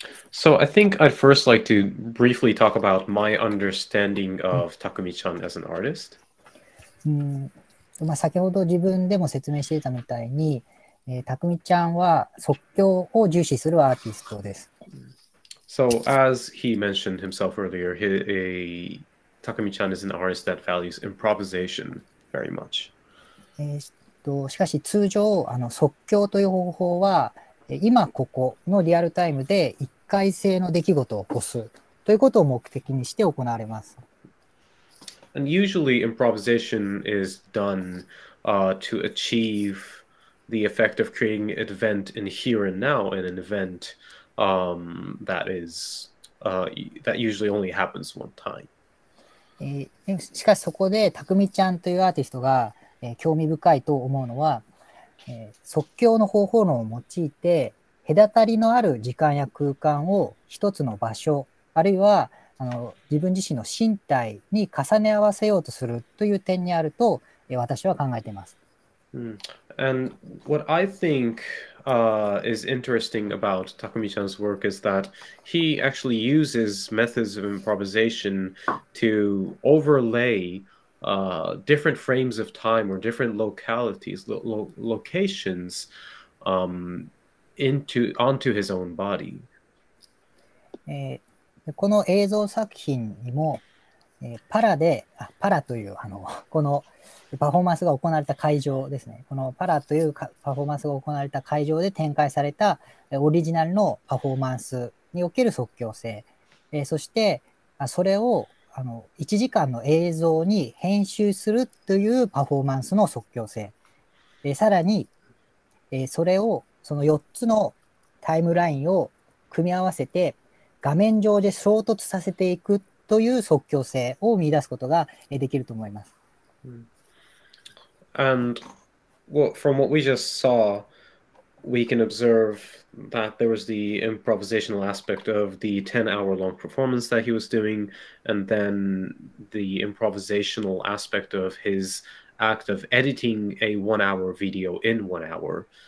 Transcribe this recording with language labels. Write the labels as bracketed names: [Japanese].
[English] So I think I'd first like to briefly talk about my understanding of たくみちゃん as an artist. [Japanese] まあ、先ほど自分でも説明していたみたいに、たくみちゃんは即興を重視するアーティストです。 [English] So, as he mentioned himself earlier, たくみちゃん is an artist that values improvisation very much. [Japanese] しかし通常、即興という方法は、今ここのリアルタイムで一回性の出来事を起こすということを目的にして行われます。 [English] And usually improvisation is done to achieve the effect of creating an event in here and now, in an event that usually only happens one time. [Japanese] しかしそこでたくみちゃんというアーティストが、興味深いと思うのは、即興の方法論を用いて隔たりのある時間や空間を一つの場所あるいは自分自身の身体に重ね合わせようとするという点にあると私は考えています。 [English] And what I think is interesting about Takumi-chan's work is that he actually uses methods of improvisation to overlay different frames of time or different localities, locations onto his own body. [Japanese] この映像作品にも、パラというこのパフォーマンスが行われた会場ですね。このパラというパフォーマンスが行われた会場で展開されたオリジナルのパフォーマンスにおける即興性、そしてそれを1時間の映像に編集するというパフォーマンスの即興性、さらに、それをその4つのタイムラインを組み合わせて画面上で衝突させていくという即興性を見出すことができると思います。 [English] And well, from what we just saw, we can observe that there was the improvisational aspect of the 10-hour long performance that he was doing, and then the improvisational aspect of his act of editing a 1-hour video in 1 hour.